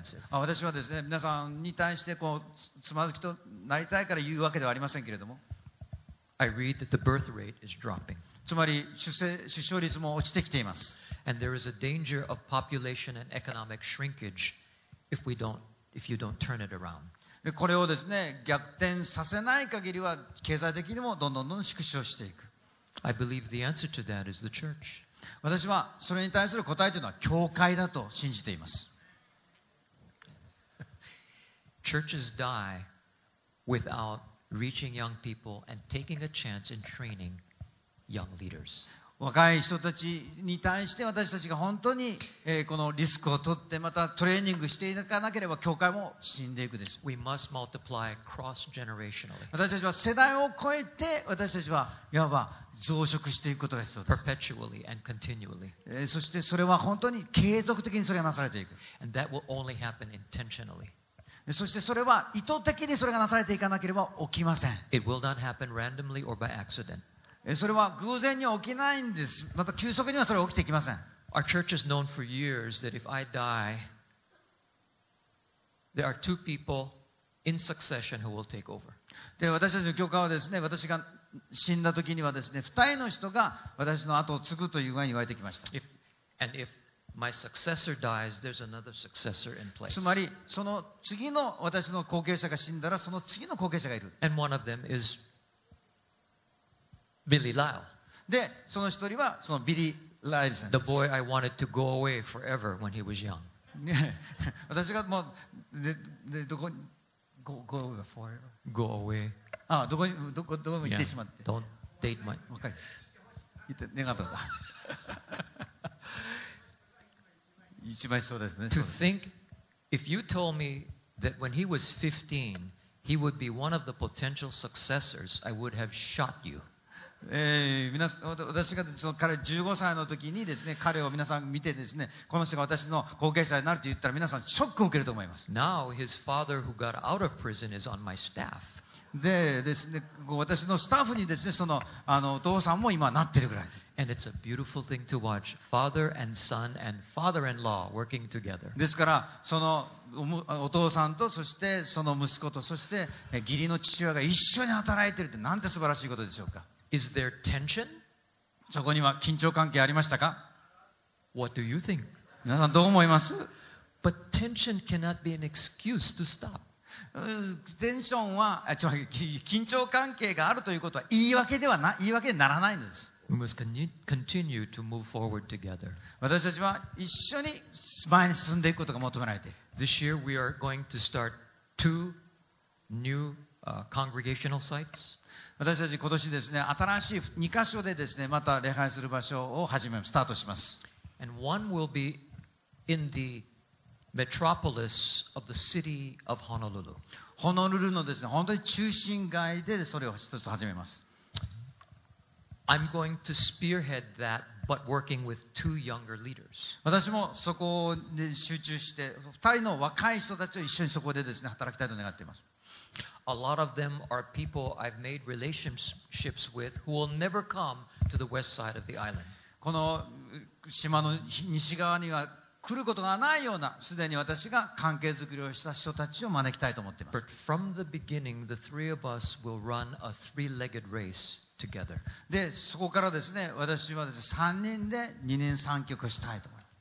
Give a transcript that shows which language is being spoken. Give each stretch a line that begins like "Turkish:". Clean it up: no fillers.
Japanese: 私はですね、皆さんに対してこうつまずきとなりたいから言うわけではありませんけれども。
English: I read that the birth rate is dropping.
Japanese: つまり出生率も落ちてきています。
English: And there is a danger of population and economic shrinkage if you don't turn it around.
Japanese: でこれをですね、逆転させない限りは経済的にもどんどんどん縮小していく。
English: I believe the answer to that is the church.
Japanese: 私はそれに対する答えというのは教会だと信じています。
English: Churches die without. Reaching young people and taking a chance in training young leaders.
Japanese: 若い人たちに対して私たちが本当に、このリスクを取ってまたトレーニングしていかなければ教会も死んでいくでしょう。
English: We must multiply cross-generationally.
Japanese: 私たちは世代を超えて私たちはいわば増殖していくことです。
English: Perpetually and continually.
Japanese: そしてそれは本当に継続的にそれがなされていく。
English: And that will only happen intentionally.
Japanese: そしてそれは意図的にそれがなされていかなければ起きません。
English: It will not happen randomly or by accident.
Japanese: それは偶然には起きないんです。また急速にはそれは起きていきません。
English: Our church has known for years that if I die, there are two people in succession who will take over.
Japanese: で、私たちの教会はですね、私が死んだ時にはですね、二人の人が私の後を継ぐというふうに言われてきました。
English: My successor dies, there's another successor in place.
Japanese: つまりその次の私の後継者が死んだらその次の後継者がいる。
English: And one of them is Billy Lyle.
Japanese: でその一人はそのビリー・ライルさんです。
English: The boy I wanted to go away forever when he was young.
Japanese: 私がもうでどこに
English: go away forever? Go away.
Japanese: あ、どこも行ってしまって。
English: Yeah. Don't date my.
Japanese: もう一回。言って願ったか。
English: To think, if you told me that when he was 15, he would be one of the potential successors, I would have shot you.
Japanese: 私がその彼15歳の時にですね、彼を皆さん見てですね、この人が私の後継者になると言ったら皆さんショックを受けると思います。
English: Now his father who got out of prison is on my staff.
Japanese: でですね、私のスタッフにですね、あのお父さんも今なってるぐらいで。
English: And it's a beautiful thing to watch father and son and father-in-law working together.
Japanese: ですから、そのお父さんとそしてその息子とそして義理の父親が一緒に働いているってなんて素晴らしいことでしょうか。
English: Is there tension?
Japanese: そこには緊張関係ありましたか。
English: What do you think?
Japanese: 皆さんどう思います。
English: But tension cannot be an excuse to stop.
Japanese: テンションは、つまり緊張関係があるということは言い訳ではな、言い訳にならないんです。
English: We must continue to move forward together.
Japanese: 私たちは一緒に前に進んでいくことが求められている。
English: This year we are going to start two new congregational sites.
Japanese: 私たち今年ですね、新しい2カ所でですね、また礼拝する場所を始めます、スタートします。
English: And one will be in theMetropolis of the city of Honolulu.
Japanese: ホノルルのですね、本当に中心街でそれを一つ始めます。
English: I'm going to spearhead that, but working with two younger leaders.
Japanese: 私もそこに集中して、二人の若い人たちと一緒にそこでですね、働きたいと願っています。
English: A lot of them are people I've made relationships with who will never come to the west side of the island.
Japanese: この島の西側には来ることがないようなすでに私が関係づくりをした人たちを招きたいと思っています。で、そこからですね、私はですね、3人で二人三脚したいと思います。